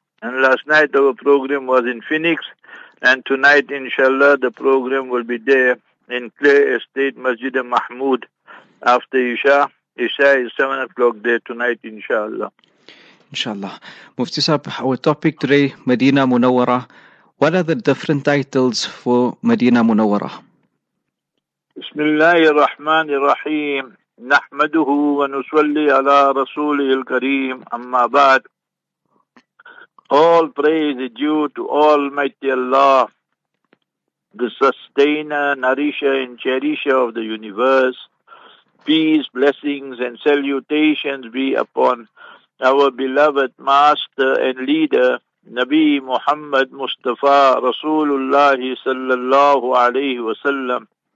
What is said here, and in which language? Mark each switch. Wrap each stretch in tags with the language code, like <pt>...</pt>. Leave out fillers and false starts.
<en>And last night our program was in Phoenix. And tonight, inshallah, the program will be there in Clare Estate, Masjid Mahmood, after Isha. Isha is 7 o'clock there tonight, inshallah. Inshallah. Mufti Saab, our topic today, Medina Munawwara. What are the different titles for Medina Munawwara? Bismillahir Rahmanir Rahim.</en> <ar>نحمده ونصلي على رسوله الكريم أما بعد.</ar> <en>All praise is due to Almighty Allah, the sustainer, nourisher, and cherisher of the universe. Peace, blessings, and salutations be upon our beloved master and leader, Nabi Muhammad Mustafa Rasulullah sallallahu alayhi wa sallam.</en>